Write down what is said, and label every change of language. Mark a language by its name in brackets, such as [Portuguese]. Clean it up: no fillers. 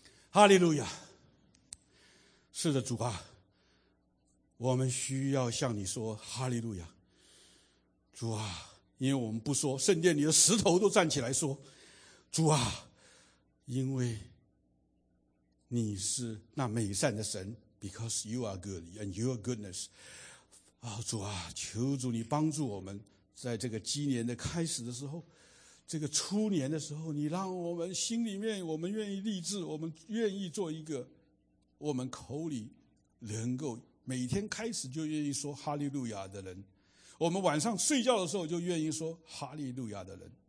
[Chinese] 哈利路亚。是的，主啊，我们需要向你说哈利路亚。主啊，因为我们不说，圣殿里的石头都站起来说，主啊，因为你是那美善的神。 [English] Because you are good and your goodness. [Chinese] 哦，主啊，求主你帮助我们，在这个鸡年的开始的时候，这个初年的时候，你让我们心里面，我们愿意立志，我们愿意做一个，我们口里能够每天开始就愿意说哈利路亚的人，我们晚上睡觉的时候就愿意说哈利路亚的人。